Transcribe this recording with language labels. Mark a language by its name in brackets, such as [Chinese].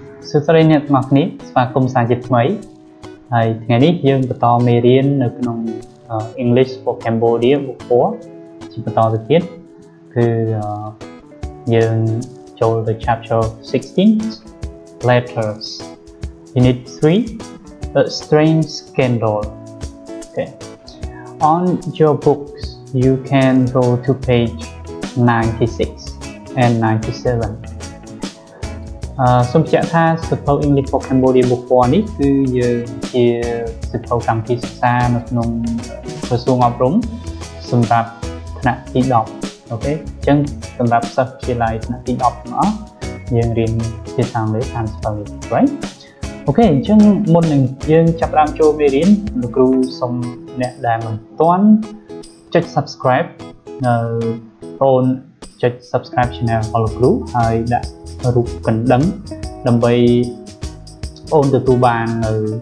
[Khmer] សិស្សស្រីអ្នកមកនេះស្វាគមន៍សាជាថ្មីហើយថ្ងៃនេះយើងបន្តមេរៀននៅក្នុង English for Cambodia មុខ4ជាបន្តទៅទៀតគឺយើងចូលទៅ [English] chapter 16 letters unit 3 a strange scandal. Okay. On your books you can go to page 96 and 97. [Khmer] សូមបញ្ជាក់ថាសិភៅ English for Cambodia មុខ4នេះគឺយើងជាសិភៅកម្មវិធីសិក្សានៅក្នុងក្រសួងអប់រំ សម្រាប់ថ្នាក់ទី10អូខេអញ្ចឹងសម្រាប់សិស្សវិទ្យាល័យថ្នាក់ទី10របស់យើងរៀនភាសាអង់គ្លេសតាមសិភៅនេះ right អូខេអញ្ចឹងមុននឹងយើងចាប់ផ្ដើមចូលមេរៀនលោកគ្រូសូមអ្នកដែលមិនទាន់ចុច Subscribe នៅបូនចុច Subscribe Channel របស់លោកគ្រូហើយដាក់រូបកណ្ដឹងដើម្បីអូនទទួលបាននៅ